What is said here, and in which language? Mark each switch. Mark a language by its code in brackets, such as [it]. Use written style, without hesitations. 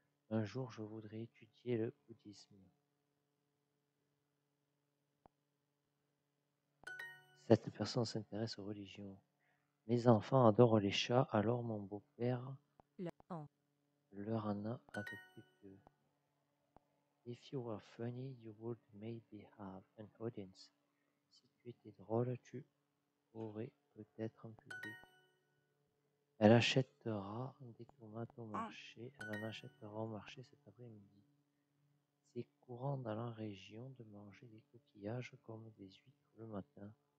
[fr] Un jour, je voudrais étudier le bouddhisme. Cette personne s'intéresse aux religions. Mes enfants adorent les chats, alors mon beau-père leur en a adopté deux. [en] If you were funny, you would maybe have an audience. [fr] Si tu étais drôle, tu aurais peut-être un public. Elle achètera des tomates au marché. Elle en achètera au marché cet après-midi. C'est courant dans la région de manger des coquillages comme des huîtres le matin.